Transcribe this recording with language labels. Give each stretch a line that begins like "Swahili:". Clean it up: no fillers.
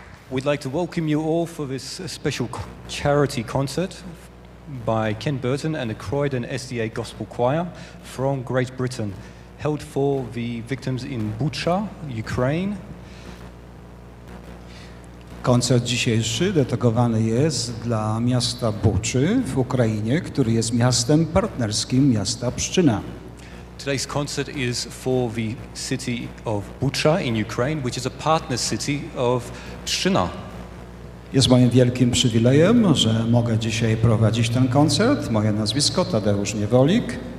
English: We'd like to welcome you all for this special charity concert by Ken Burton and the Croydon SDA Gospel Choir from Great Britain, held for the victims in Bucha, Ukraine.
Polish: Koncert dzisiejszy dedykowany jest dla miasta Buczy w Ukrainie, który jest miastem partnerskim miasta Pszczyna.
English: Today's concert is for the city of Bucha in Ukraine, which is a partner city of Pszczyna.
Polish: Jest moim wielkim przywilejem, że mogę dzisiaj prowadzić ten koncert. Moje nazwisko Tadeusz Niewolik.